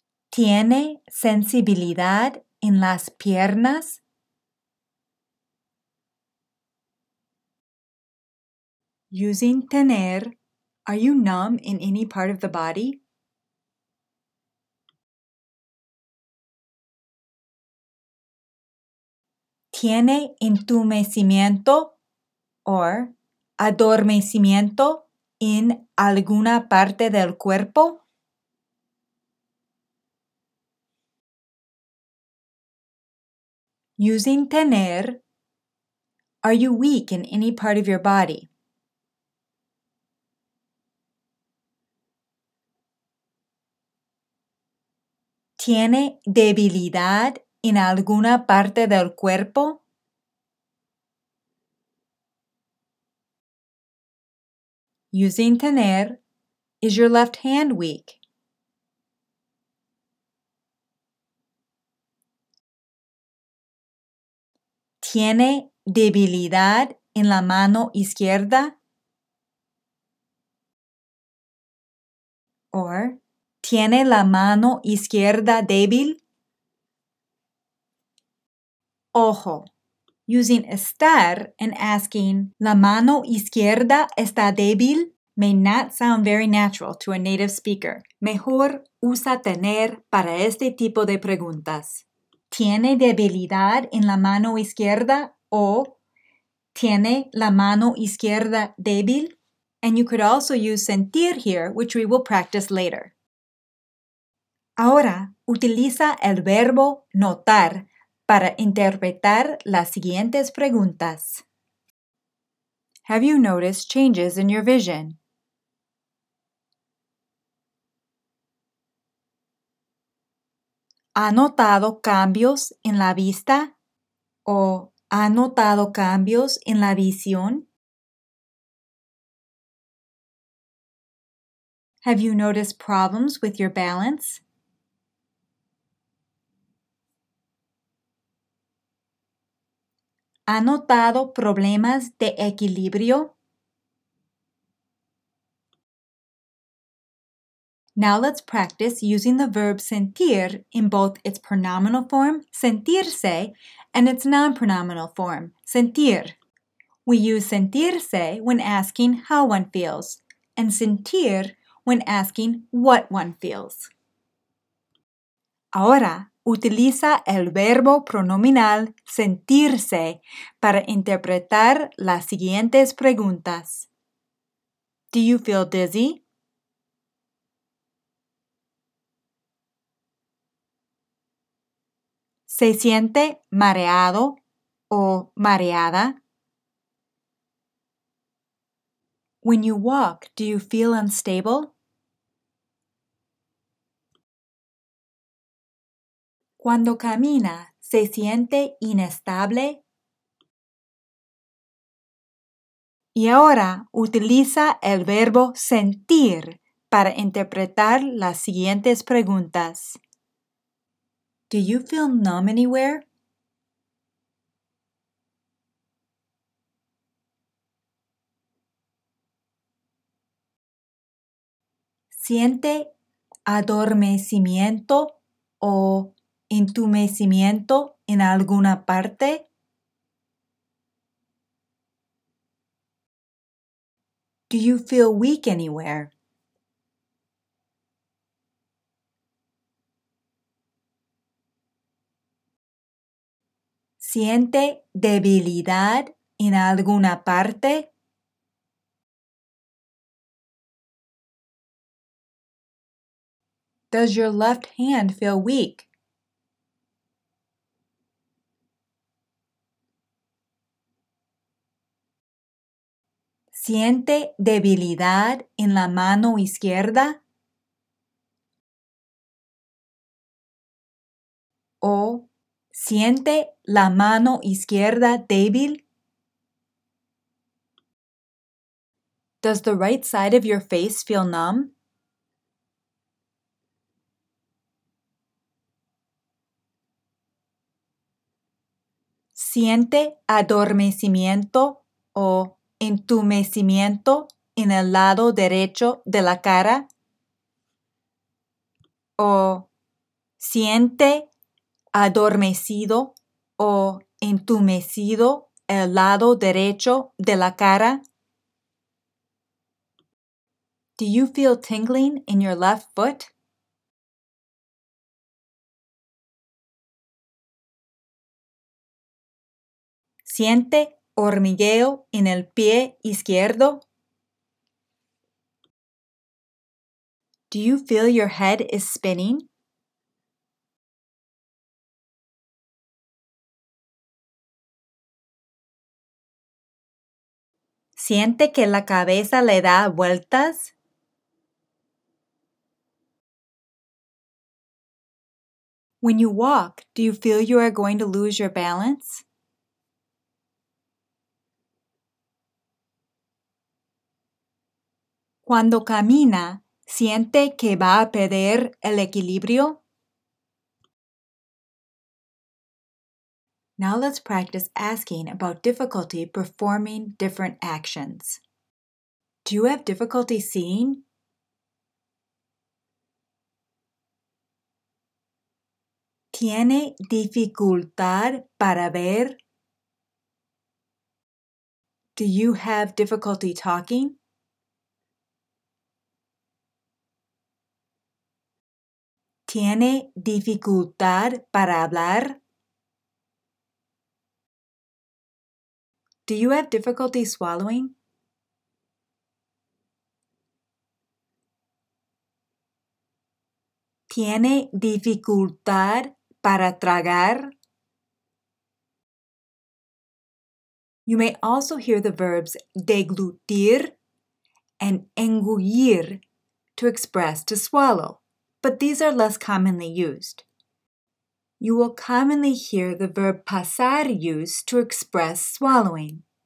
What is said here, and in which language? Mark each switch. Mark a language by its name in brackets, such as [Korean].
[Spanish] ¿Tiene sensibilidad en las piernas? [English] Using tener, are you numb in any part of the body? [Spanish] ¿Tiene entumecimiento [English] or [Spanish] adormecimiento en alguna parte del cuerpo? [English] Using tener, are you weak in any part of your body? [Spanish] ¿Tiene debilidad en alguna parte del cuerpo? [English] Using tener, is your left hand weak? [Spanish] ¿Tiene debilidad en la mano izquierda? [English] Or [Spanish] ¿tiene la mano izquierda débil? Ojo. [English] Using estar and asking, [Spanish] ¿la mano izquierda está débil? [English] may not sound very natural to a native speaker. [Spanish] Mejor usa tener para este tipo de preguntas. ¿Tiene debilidad en la mano izquierda? O ¿tiene la mano izquierda débil? [English] And you could also use sentir here, which we will practice later. [Spanish] Ahora, utiliza el verbo notar para interpretar las siguientes preguntas. [English] Have you noticed changes in your vision? [Spanish] ¿Ha notado cambios en la vista? ¿O ha notado cambios en la visión? [English] Have you noticed problems with your balance? [Spanish] ¿Ha notado problemas de equilibrio? [English] Now let's practice using the verb sentir in both its pronominal form, sentirse, and its non-pronominal form, sentir. We use sentirse when asking how one feels, and sentir when asking what one feels. [Spanish] Ahora, utiliza el verbo pronominal sentirse para interpretar las siguientes preguntas. [English] Do you feel dizzy? [Spanish] ¿Se siente mareado o mareada? [English] When you walk, do you feel unstable? [Spanish] Cuando camina, ¿se siente inestable? Y ahora, utiliza el verbo sentir para interpretar las siguientes preguntas. [English] Do you feel numb anywhere? [Spanish] ¿Siente adormecimiento o entumecimiento en alguna parte? [English] Do you feel weak anywhere? [Spanish] ¿Siente debilidad en alguna parte? [English] Does your left hand feel weak? [Spanish] ¿Siente debilidad en la mano izquierda? ¿O siente la mano izquierda débil? [English] Does the right side of your face feel numb? [Spanish] ¿Siente adormecimiento o entumecimiento en el lado derecho de la cara? ¿O siente adormecido o entumecido el lado derecho de la cara? [English] Do you feel tingling in your left foot? [Spanish] ¿Siente hormigueo en el pie izquierdo? [English] Do you feel your head is spinning? [Spanish] ¿Siente que la cabeza le da vueltas? [English] When you walk, do you feel you are going to lose your balance? [Spanish] Cuando camina, ¿siente que va a perder el equilibrio? [English] Now let's practice asking about difficulty performing different actions. Do you have difficulty seeing? [Spanish] ¿Tiene dificultad para ver? [English] Do you have difficulty talking? [Spanish] ¿Tiene dificultad para hablar? [English] Do you have difficulty swallowing? [Spanish] ¿Tiene dificultad para tragar? [English] You may also hear the verbs deglutir and engullir to express to swallow, but these are less commonly used. You will commonly hear the verb pasar used to express swallowing.